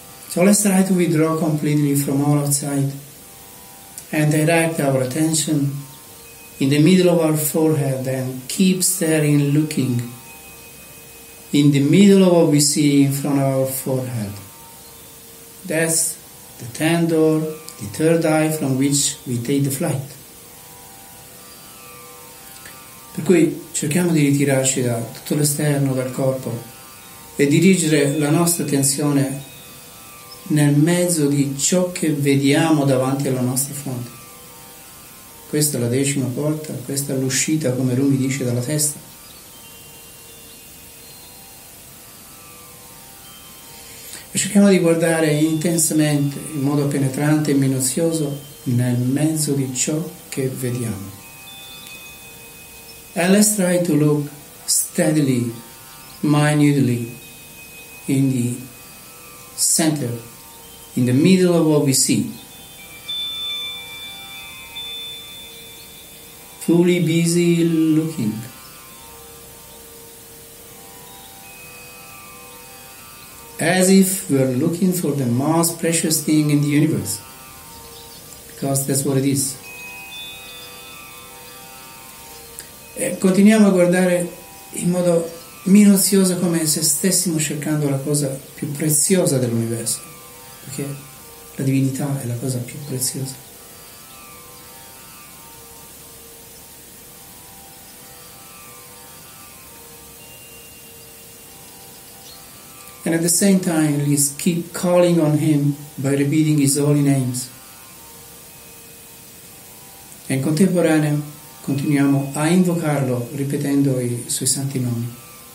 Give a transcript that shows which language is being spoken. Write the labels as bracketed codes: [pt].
[en] So let's try to withdraw completely from all outside and direct our attention in the middle of our forehead and keep staring, looking in the middle of what we see in front of our forehead. That's the tenth door, the third eye from which we take the flight. [it] Per cui cerchiamo di ritirarci da tutto l'esterno, dal corpo e dirigere la nostra attenzione nel mezzo di ciò che vediamo davanti alla nostra fronte. Questa è la decima porta, questa è l'uscita, come Rumi dice, dalla testa. E cerchiamo di guardare intensamente, in modo penetrante e minuzioso, nel mezzo di ciò che vediamo. [en] And let's try to look steadily, minutely, in the center, in the middle of what we see. Fully busy looking. As if we're looking for the most precious thing in the universe. Because that's what it is. [it] E continuiamo a guardare in modo minuzioso, come se stessimo cercando la cosa più preziosa dell'universo. Perché la divinità è la cosa più preziosa. [en] And at the same time, let's keep calling on him by repeating his holy names. [it] E in contemporanea continuiamo a invocarlo ripetendo i suoi santi nomi.